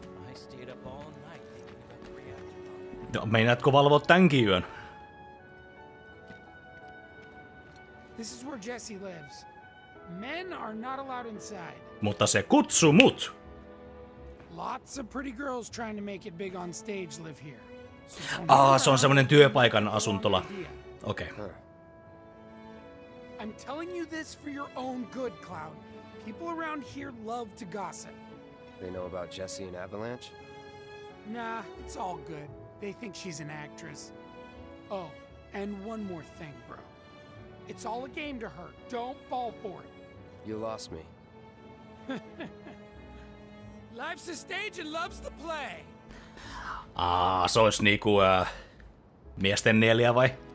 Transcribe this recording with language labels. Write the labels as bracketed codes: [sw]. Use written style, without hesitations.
[en] I stayed up all night thinking about the reaction. [fi] Meinaatko valvoa tänkin yön? [en] This is where Jesse lives. Men are not allowed inside. [fi] Mutta se kutsu mut. [en] Lots of pretty girls trying to make it big on stage live here. [fi] Se on semmoinen työpaikan asuntola. Okei. [en] Okay. I'm telling you this for your own good, Cloud. People around here love to gossip. They know about Jesse and Avalanche? Nah, it's all good. They think she's an actress. Oh, and one more thing, bro. It's all a game to her. Don't fall for it. You lost me. Life's a stage and loves to play. [fi] Se olisi niinku miesten neljä vai?